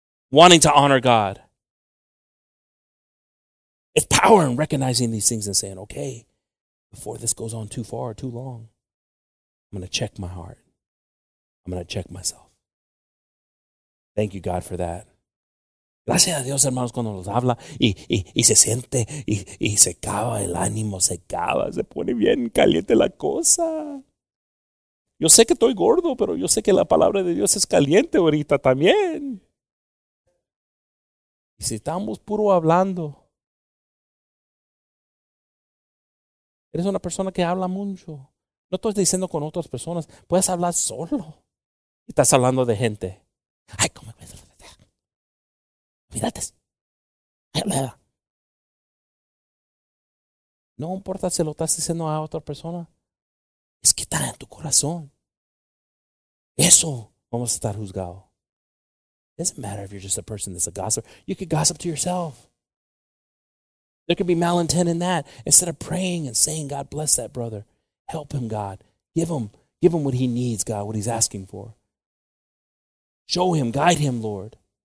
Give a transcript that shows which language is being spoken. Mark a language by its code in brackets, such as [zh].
[en] Wanting to honor God. It's power in recognizing these things and saying, okay, before this goes on too far, too long, I'm going to check my heart. I'm going to check myself. Thank you, God, for that. [es] Gracias a Dios, hermanos, cuando nos habla y se siente y se cava el ánimo, se cava, se pone bien caliente la cosa. Yo sé que estoy gordo, pero yo sé que la palabra de Dios es caliente ahorita también. Y si estamos puro hablando, eres una persona que habla mucho. No estoy diciendo con otras personas, puedes hablar solo. Estás hablando de gente. Ay, cómo me voy a tratar. Mírate. No importa si lo estás diciendo a otra persona, es que está en tu corazón. Eso vamos a estar juzgado. [en] It doesn't matter if you're just a person that's a gossiper. You could gossip to yourself. There could be malintent in that. Instead of praying and saying, God bless that brother. Help him, God. Give him what he needs, God, what he's asking for. Show him, guide him, Lord.